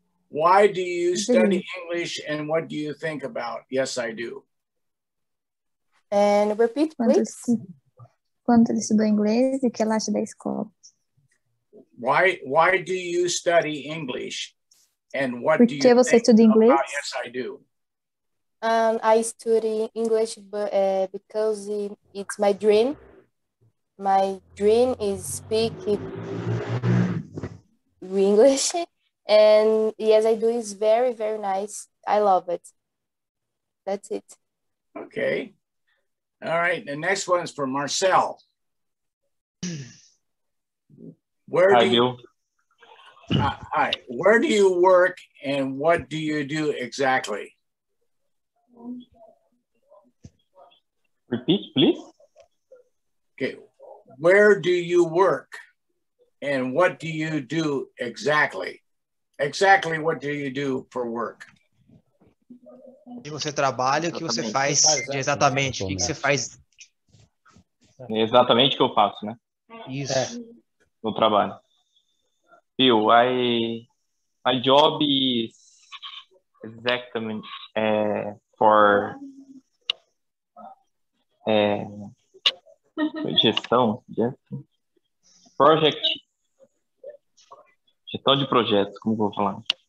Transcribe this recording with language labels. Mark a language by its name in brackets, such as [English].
[English] Why do you study English, and what do you think about? Yes, I do. And repeat, please. [Portuguese] quanto ele estudou inglês e o que ele acha da escola. [English] Why do you study English? And what [Portuguese] Por que [English] do you [Portuguese] você estuda inglês? [English] Yes, I do. I study English because it's my dream. My dream is speak English. And yes, I do. It's very, very nice. I love it. That's it. Okay. All right. The next one is for Marcel. Where do you? Hi. Where do you work and what do you do exactly? Repeat, please. Okay. Where do you work and what do you do exactly? Exactly what do you do for work? [Portuguese] E você trabalha, o que você faz exatamente? O que você faz? Exatamente o que eu faço, né? Isso. É. No trabalho. [English] Bill, my job is exactly for gestão, project, [Portuguese] gestão de projetos, como vou falar?